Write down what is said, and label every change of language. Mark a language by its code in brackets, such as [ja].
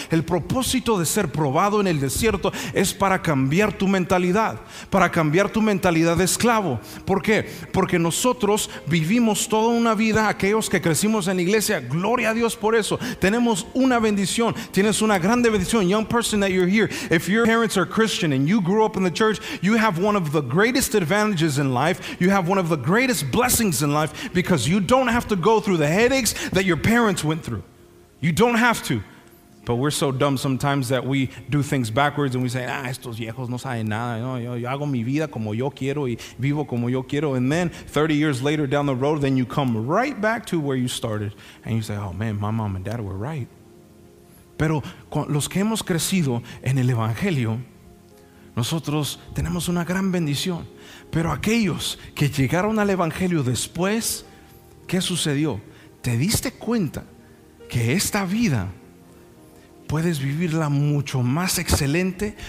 [es] El propósito de ser probado en el desierto es para cambiar tu mentalidad. Para cambiar tu mentalidad de esclavo. ¿Por qué? Porque nosotros vivimos toda una vida, aquellos que crecimos en la iglesia, gloria a Dios por eso, tenemos una bendición, tienes una grande bendición. [en] Young person that you're here, if your parents are Christian and you grew up in the church, you have one of the greatest advantages in life, you have one of the greatest blessings in life, because you don't have to go through the headaches that your parents went through. You don't have to. But we're so dumb sometimes that we do things backwards and we say, [es] ah, estos viejos no saben nada. No, yo hago mi vida como yo quiero y vivo como yo quiero. [en] And then 30 years later down the road, then you come right back to where you started. And you say, oh man, my mom and dad were right. [es] Pero los que hemos crecido en el Evangelio, nosotros tenemos una gran bendición. Pero aquellos que llegaron al Evangelio después, ¿qué sucedió? ¿Te diste cuenta que esta vida puedes vivirla mucho más excelente?